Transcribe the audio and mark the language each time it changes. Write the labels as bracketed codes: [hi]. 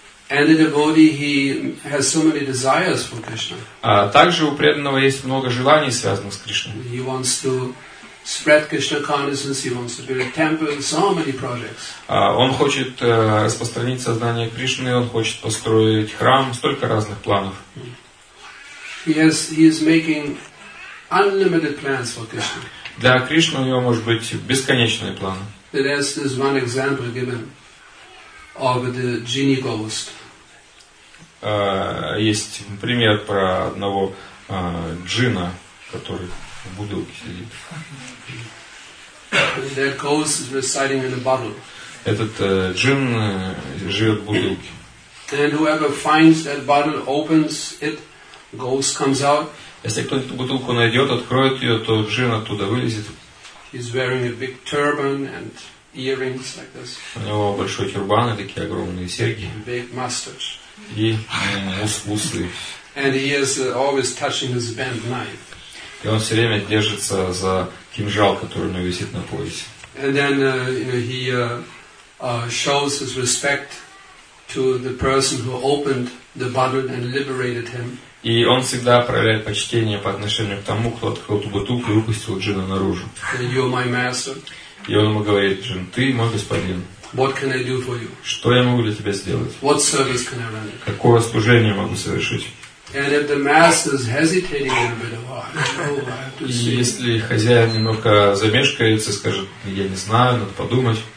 [en] And the devotee, he has so many desires for Krishna. [ru] Также у преданного есть много желаний, связанных с Кришной. [en] He wants to spread Krishna consciousness, he wants to build a temple, so many projects. [ru] Он хочет распространить сознание Кришны, он хочет построить храм, столько разных планов. [en] He is making unlimited plans for Krishna. [ru] Для Кришны у него может быть бесконечные планы. [en] There is one example given of the genie ghost. [ru] Есть пример про одного джина, который в бутылке сидит. [en] That ghost is residing in a bottle. [ru] Этот джин живет в бутылке. [en] And whoever finds that bottle, opens it, ghost comes out. [ru] Если кто-то эту бутылку найдет, откроет ее, то джин оттуда вылезет. [en] He's wearing a big turban and earrings like this. [ru] У него большой тюрбан и такие огромные серьги. [en] Big mustache. [ru] И усы. [en] And he is always touching his bent knife. [ru] И он все время держится за кинжал, который у него висит на поясе. [en] And then shows his respect to the person who opened the bottle and liberated him. [ru] И он всегда проявляет почтение по отношению к тому, кто открыл эту бутылку и выпустил джина наружу. И он ему говорит: джин, ты мой господин. [en] What can I do for you? [ru] Что я могу для тебя сделать? [en] What service can I render? [ru] Какое служение могу совершить? [en] And if the master is hesitating a little bit, oh, I have to see. [ru] Если хозяин немного замешкается, скажет: я не знаю, надо подумать.